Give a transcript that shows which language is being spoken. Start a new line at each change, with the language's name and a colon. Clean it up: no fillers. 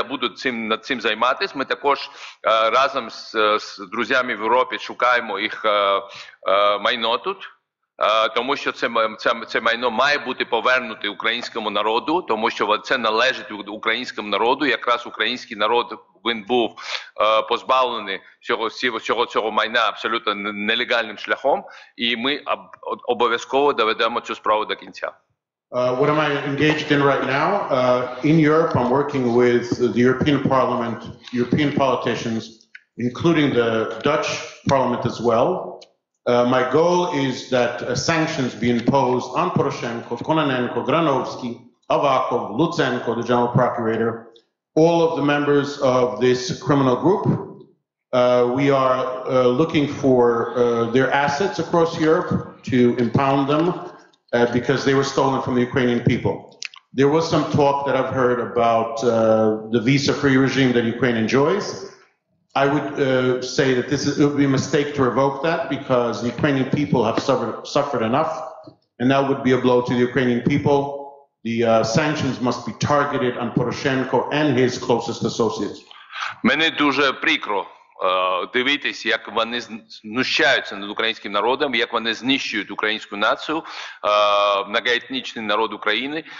Ukrainian: Я буду над цим займатися. Ми також разом з друзями в Європі шукаємо їх майно тут, тому що це майно має бути повернуте українському народу, тому що це належить українському народу. Якраз український народ, він був позбавлений цього майна абсолютно нелегальним шляхом, і ми обов'язково доведемо цю справу до кінця.
English: What am I engaged in right now? In Europe, I'm working with the European Parliament, European politicians, including the Dutch Parliament as well. My goal is that sanctions be imposed on Poroshenko, Kononenko, Granovsky, Avakov, Lutsenko, the General Procurator, all of the members of this criminal group. We are looking for their assets across Europe to impound them because they were stolen from the Ukrainian people. There was some talk that I've heard about the visa-free regime that Ukraine enjoys. I would say that this is, it would be a mistake to revoke that because the Ukrainian people have suffered enough, and that would be a blow to the Ukrainian people. The sanctions must be targeted on Poroshenko and his closest associates.
Ukrainian: Мені дуже прикро дивитись, як вони знущаються над українським народом, як вони знищують українську націю, многоетнічний народ України.